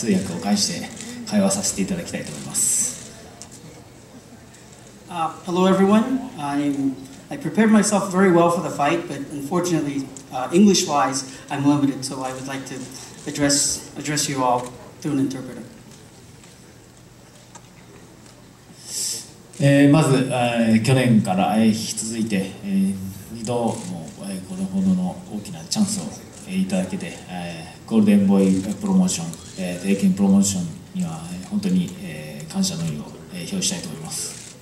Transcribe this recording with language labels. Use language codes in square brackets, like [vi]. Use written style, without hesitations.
[ja] まず一言謝らなきゃいけないんですが、今回の試合に際して、ボクシングのトレーニングは十分に積んできたんですが、スピーチに際するイングリッシュの方は全くノースタディだったので、大変申し訳ありませんが、通訳を介して会話させていただきたいと思います。 [en] Hello everyone. I prepared myself very well for the fight, but unfortunately, English-wise, I'm limited, so I would like to address you all through an interpreter. [ja] まず去年から引き続いて二度もこれほどの大きなチャンスをいただけて、ゴールデンボーイプロモーション、提携プロモーション、には本当に感謝の意を表したいと思います。